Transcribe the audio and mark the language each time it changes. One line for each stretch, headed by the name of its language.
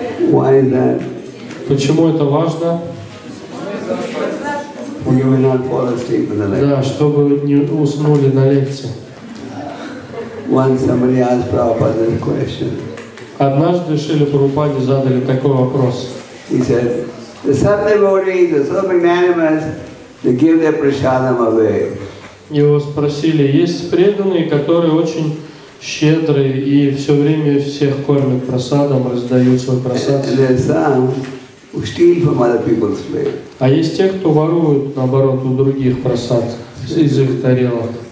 English: Why is that?
Russian: Почему это важно? Да, чтобы вы не уснули на лекции.
English: Once somebody asked Prabhupada this question.
Russian: Однажды Шрила Прабхупаде задали такой вопрос.
English: He said, the sub-devotees are so magnanimous, they give their prasadam away.
Russian: Его спросили, есть преданные, которые очень щедрые и все время всех кормят прасадом, раздают свой прасад.
English: And there are some who steal from other people's plate.
Russian: А есть те, кто воруют, наоборот, у других прасад из их тарелок.